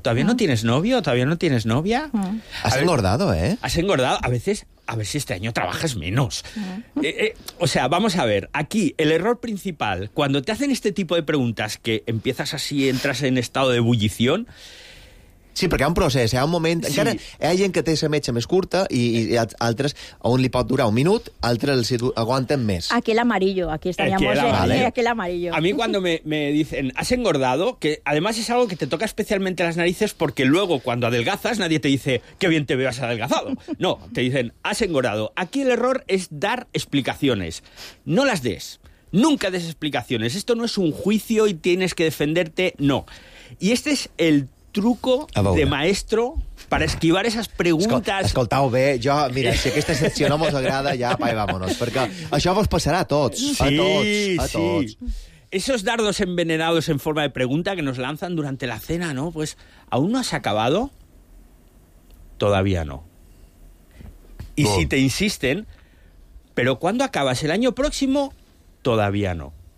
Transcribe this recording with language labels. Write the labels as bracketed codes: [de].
[es] ¿Todavía no tienes novio? ¿Todavía no tienes novia? Has engordado, ¿eh? Has engordado. A veces, a ver si este año trabajas menos. O sea, vamos a ver. Aquí, el error principal, cuando te hacen este tipo de preguntas, que empiezas así, entras en estado de ebullición. [ca] Sí, perquè hi ha un procés, hi ha un moment... Sí. Encara hi ha gent que té la metge més curta i altres, un li pot durar un minut, altres els aguanten més. [es] Aquel amarillo, aquí estaríamos. Aquel amarillo. A mí cuando me dicen, has engordado, que además es algo que te toca especialmente las narices porque luego cuando adelgazas nadie te dice, qué bien te veo, has adelgazado. No, te dicen, has engordado. Aquí el error es dar explicaciones. No las des. Nunca des explicaciones. Esto no es un juicio y tienes que defenderte, no. Y este es el truco de maestro para esquivar esas preguntas. [ca] Escoltau bé, jo, mira, si aquesta secció no mos agrada, ja, pai, [es] vámonos, [ca] perquè això vos passarà a tots, sí, a tots, a sí, tots. [es] Esos dardos envenenados en forma de pregunta que nos lanzan durante la cena, ¿no? Pues, ¿aún no has acabado? Todavía no. Y si te insisten, ¿pero cuándo acabas? ¿El año próximo? Todavía no.